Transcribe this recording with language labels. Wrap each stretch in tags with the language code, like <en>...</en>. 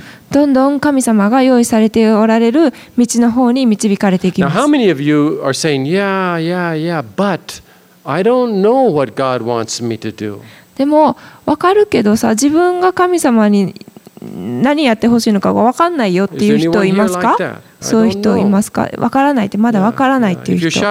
<ja>どんどん神様が用意されておられる道の方に導かれていきます。</ja> <en>Now, how many of you are saying, yeah, yeah, yeah, but I don't know what God wants me to do?</en> <ja>でも分かるけどさ、自分が神様に何やってほしいのかが分かんないよっていう人いますか？そういう人いますか？分からないってまだ分からないっていう人。</ja>